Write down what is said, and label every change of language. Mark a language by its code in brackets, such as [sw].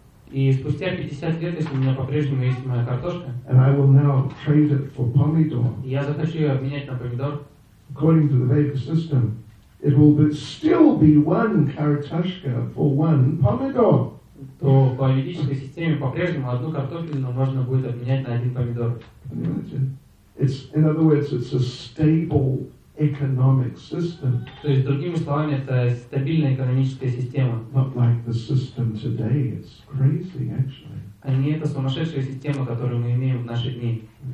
[ru] и спустя 50 лет, если у меня по-прежнему есть моя картошка, [en] and I will now trade it for pomidor, [ru] я захочу ее обменять на помидор. [en] According to the Vedic system, it will but still be one karatashka for one pomidor. [ru] То по юридической системе по-прежнему одну картофелину можно будет обменять на один помидор. [en] It's, in other words, it's a stable economic system. [ru] То есть другими словами, это стабильная экономическая система. [en] Not like the system today. It's crazy, actually. [ru] А не эта сумасшедшая система, которую мы имеем в наши дни.